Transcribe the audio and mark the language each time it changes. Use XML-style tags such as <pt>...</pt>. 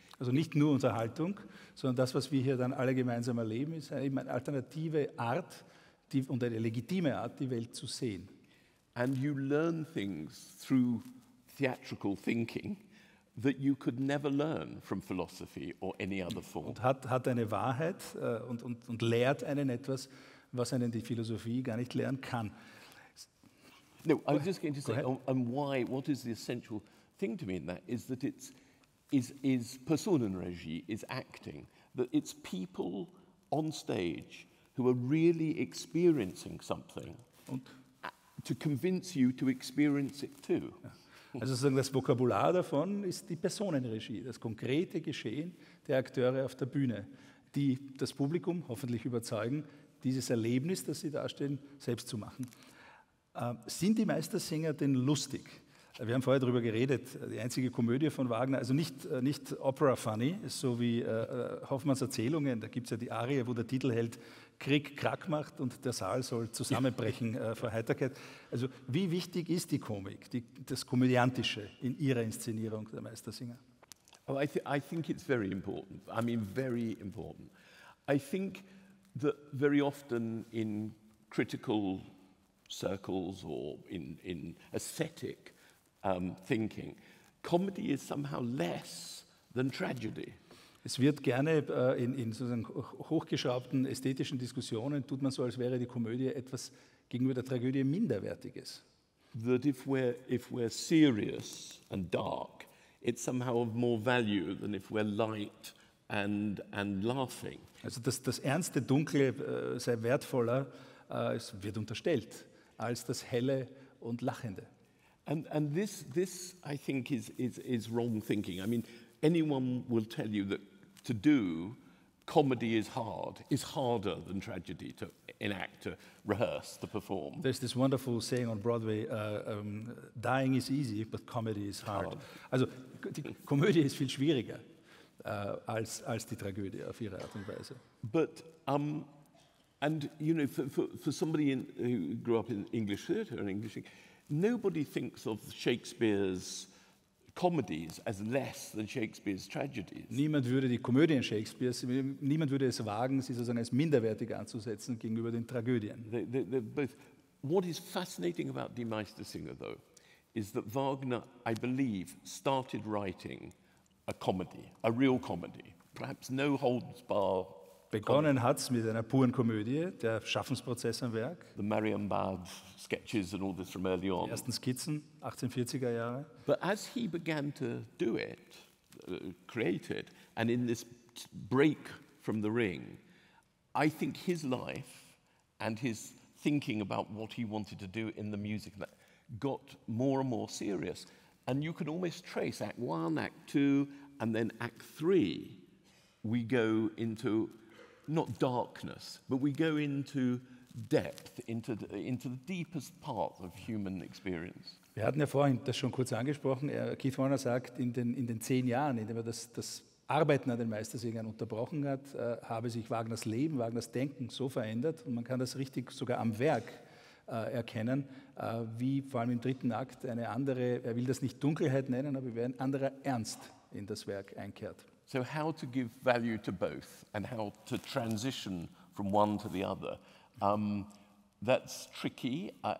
<de>Also nicht nur Unterhaltung, sondern das, was wir hier dann alle gemeinsam erleben, ist eben eine alternative Art und eine legitime Art, die Welt zu sehen.</de> <en>And you learn things through theatrical thinking that you could never learn from philosophy or any other form.</en> <de>Und hat eine Wahrheit und lehrt einen etwas, was einen die Philosophie gar nicht lehren kann.</de> <en>No, I was just going to say, and why, what is the essential thing to me in that, is that it's is Personenregie, is acting, that it's people on stage who are really experiencing something und to convince you to experience it too.</en> <de>Also sozusagen das Vokabular davon ist die Personenregie, das konkrete Geschehen der Akteure auf der Bühne, die das Publikum hoffentlich überzeugen, dieses Erlebnis, das sie darstellen, selbst zu machen. Sind die Meistersinger denn lustig? Wir haben vorher darüber geredet, die einzige Komödie von Wagner, also nicht Opera Funny, so wie Hoffmanns Erzählungen, da gibt es ja die Arie, wo der Titelheld Krick Krack macht und der Saal soll zusammenbrechen vor Heiterkeit. Also wie wichtig ist die Komik, das Komödiantische in Ihrer Inszenierung der Meistersinger?</de> <en>Oh, I think it's very important. I mean, very important. I think that very often in critical circles or in aesthetic thinking, comedy is somehow less than tragedy.</en> <de>Es wird gerne in sozusagen hochgeschraubten ästhetischen Diskussionen tut man so, als wäre die Komödie etwas gegenüber der Tragödie Minderwertiges.</de> <en>That if we're serious and dark, it's somehow of more value than if we're light and laughing.</en> <de>Also das ernste Dunkle sei wertvoller, es wird unterstellt, als das Helle und Lachende.</de> <en>And this I think is wrong thinking. I mean, anyone will tell you that to do comedy is hard, is harder than tragedy to enact, to rehearse, to perform. There's this wonderful saying on Broadway, dying is easy, but comedy is hard.</en> <de>Also, die Komödie ist viel schwieriger als die Tragödie auf ihre Art und Weise.</de> <en>But, and you know, for somebody who grew up in English theatre and English, nobody thinks of Shakespeare's comedies as less than Shakespeare's tragedies.</en> <de>Niemand würde die Komödien Shakespeares, niemand würde es wagen, sie sozusagen als minderwertig anzusetzen gegenüber den Tragödien.</de> <en>What is fascinating about Die Meistersinger, though, is that Wagner, I believe, started writing a comedy, a real comedy, perhaps no holds barred.</en> <de>Begonnen hat es mit einer puren Komödie, der Schaffensprozess am Werk.</de> <en>The Marion Barb sketches and all this from early on.</en> <de>Die ersten Skizzen, 1840er Jahre.</de> <en>But as he began to do it, create it, and in this break from the ring, I think his life and his thinking about what he wanted to do in the music got more and more serious. And you can almost trace Act 1, Act 2, and then Act 3, we go into not darkness, but we go into depth, into the deepest part of human experience.</en> <de>Wir hatten ja vorhin das schon kurz angesprochen. Keith Warner sagt, in den 10 Jahren, in dem er das Arbeiten an den Meistersingern unterbrochen hat, habe sich Wagners Leben, Wagners Denken so verändert, und man kann das richtig sogar am Werk erkennen, wie vor allem im dritten Akt eine andere, er will das nicht Dunkelheit nennen, aber wie ein anderer Ernst in das Werk einkehrt.</de> <en>So how to give value to both and how to transition from one to the other, that's tricky.</en>